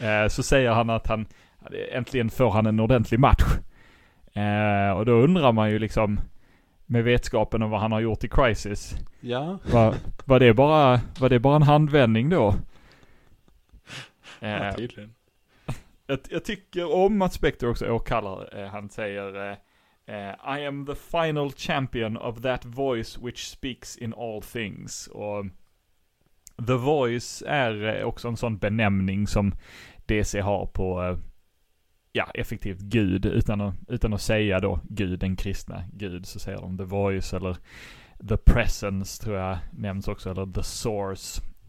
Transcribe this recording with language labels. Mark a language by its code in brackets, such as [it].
[sv] Så säger han att han äntligen får han en ordentlig match. Och då undrar man ju liksom, med vetskapen om vad han har gjort i Crisis. Ja. Var det bara en handvändning då? Ja, tydligen. Jag tycker om att Spectre också åkallar. Han säger, [en] I am the final champion of that voice which speaks in all things. [sv] Och The Voice är också en sån benämning som DC har på... ja, effektivt gud, utan att säga då gud, den kristna gud, så säger de The Voice eller The Presence, tror jag nämns också, eller The Source.